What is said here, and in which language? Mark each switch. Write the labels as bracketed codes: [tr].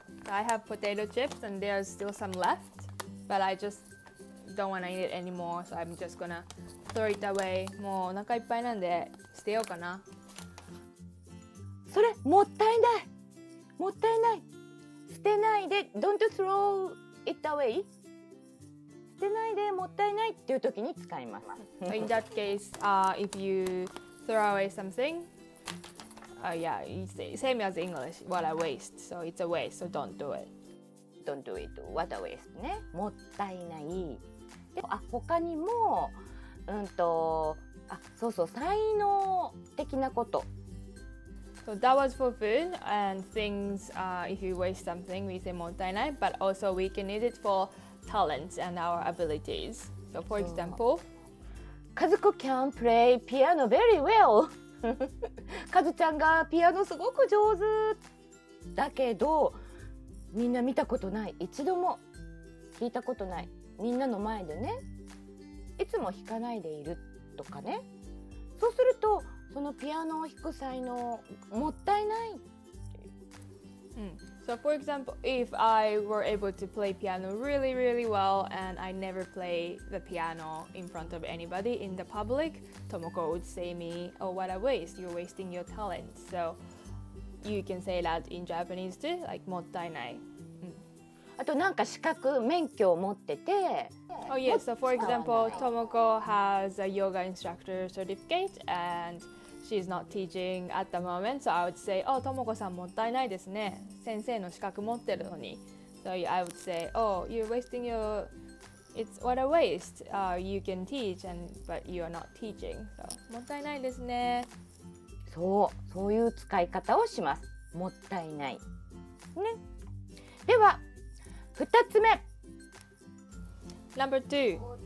[en] I have potato chips and there's still some left, but I justdon't want to eat it anymore, so I'm just gonna throw it away. [ja] もうお腹いっぱいなんで捨てようかな。それもったいない。もったいない。捨てないで、 [en] don't throw it away。 [ja] 捨てないでもったいないっていう時に使います。 [en] So、in that case,、if you throw away something,、yeah, same as English, what a waste. So it's a waste. So don't do it. Don't do it. What a waste. [ja] ね、もったいない。あ、他にも、あ、そうそう、才能的なこと。 [en] So that was for food and things. If you waste something, we say もったいない。 But also we can use it for talents and our abilities. So for example, Kazuko can play piano very well. [ja] Kazu ちゃんがピアノすごく上手だけど、みんな見たことない。一度も聞いたことない。みんなの前でね、いつも弾かないでいるとかね。そうすると、そのピアノを弾く才能、もったいない。 [en] So for example, if I were able to play piano really, really well and I never play the piano in front of anybody in the public, Tomoko would say me, oh, what a waste, you're wasting your talent. So you can say that in Japanese too, like もったいない。 [ja] あとなんか資格、免許を持ってて、 [en] Oh yes, so for example, Tomoko has a yoga instructor certificate and she's not teaching at the moment. So I would say, oh, Tomoko [ja] さんもったいないですね。先生の資格持ってるのに。 [en] So I would say, oh, you're wasting your... It's what a waste. You can teach, and... but you're not teaching. So, [ja] もったいないですね。そう、そういう使い方をします。もったいない。ね。では、二つ目。 [en] Number two.